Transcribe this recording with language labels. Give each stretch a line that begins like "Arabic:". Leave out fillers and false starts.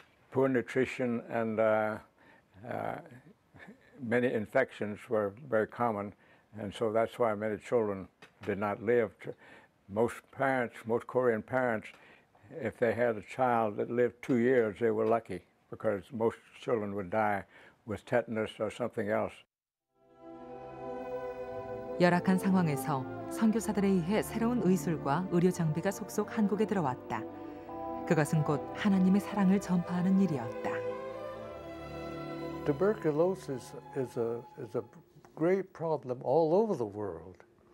English: Poor nutrition and many infections were very common, and so that's why many children did not live. Most parents, most Korean parents, if they had a child that lived 2 years, they were lucky, because most children would die with tetanus or something else.
Korean: 열악한 상황에서 선교사들에 의해 새로운 의술과 의료 장비가 속속 한국에 들어왔다. 그것은 곧 하나님의 사랑을 전파하는 일이었다.
English: Tuberculosis is a great problem all over the world.